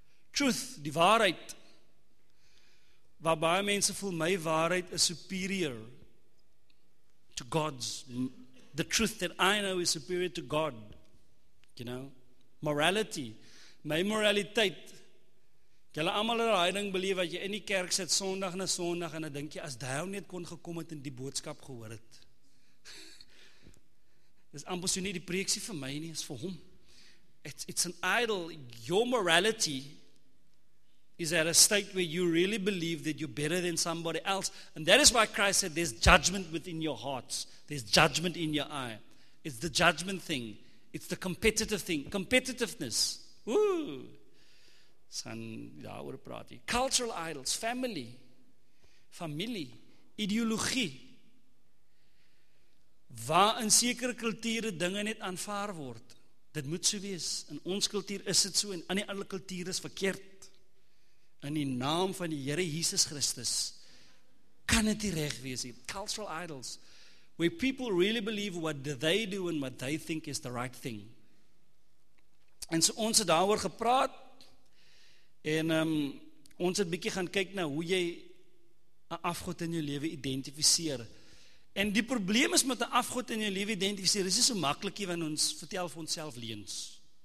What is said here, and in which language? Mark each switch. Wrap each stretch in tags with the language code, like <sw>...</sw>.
<af>Truth, die waarheid. Waar baie mense voel, my waarheid is</af> <en>superior to God's. The truth that I know is superior to God. You know? Morality.</en> <af>My moraliteit. Jylle allemaal in die ding beleef, wat jy in die kerk sit, sondag na sondag, en dan denk jy, as daar net kon gekom het, en die boodskap gehoor het. Dis amper so nie die preeksie vir my nie, is vir hom.</af> <en>It's an idol. Your morality is at a state where you really believe that you're better than somebody else. And that is why Christ said there's judgment within your hearts. There's judgment in your eye. It's the judgment thing. It's the competitive thing.</en> <af>Competitiveness. Woo! Gaan daaroor praat hier.</af> <en>Cultural idols,</en> <af>familie, ideologie. Waar in sekere kulture dinge net aanvaar word. Dit moet so wees. In ons kultuur is dit so, en in die ander kultuur is verkeerd. In die naam van die Here Jesus Christus kan dit nie reg wees nie.</af> <en>Cultural idols, where people really believe what they do and what they think is the right thing.</en> <af>En so ons het daaroor gepraat, en ons het bietjie gaan kyk na hoe jy 'n afgod in jou lewe identifiseer. En die probleem is met 'n afgod in jou lewe identifiseer, dit is so maklikie wanneer ons vertel vir onsself leens.</af>